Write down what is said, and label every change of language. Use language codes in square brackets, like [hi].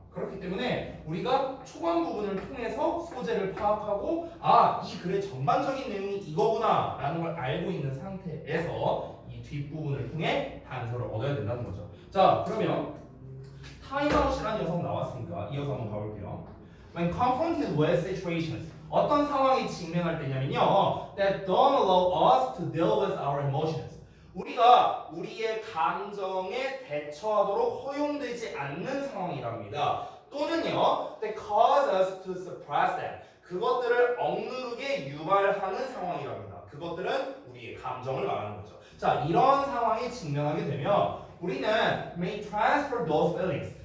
[ko] 그렇기 때문에 우리가 초반 부분을 통해서 소재를 파악하고, 아, 이 글의 전반적인 내용이 이거구나 라는 걸 알고 있는 상태에서 이 뒷부분을 통해 단서를 얻어야 된다는 거죠. 자, 그러면 타임아웃이라는 여성 나왔으니까 이어서 한번 가볼게요. [en] When confronted with situations, [ko] 어떤 상황이 직면할 때냐면요, [en] that don't allow us to deal with our emotions. [ko] 우리가 우리의 감정에 대처하도록 허용되지 않는 상황이랍니다. 또는요, [en] that cause us to suppress them. [ko] 그것들을 억누르게 유발하는 상황이랍니다. 그것들은 우리의 감정을 말하는 거죠. 자, 이런 상황이 직면하게 되면 우리는 [en] may transfer those feelings.